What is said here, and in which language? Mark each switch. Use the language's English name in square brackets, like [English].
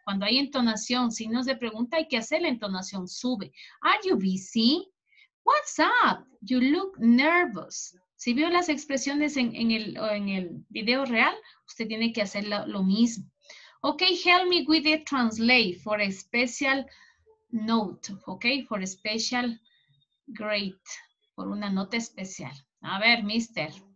[Spanish] Cuando hay entonación, si no se pregunta, hay que hacer la entonación. [English] Sube. Are you busy? What's up? You look nervous. [Spanish] Si vio las expresiones en el video real, usted tiene que hacer lo mismo. [English] Ok, help me with the translate for a special note. Ok, for a special grade. Por una nota especial. A ver, Mr.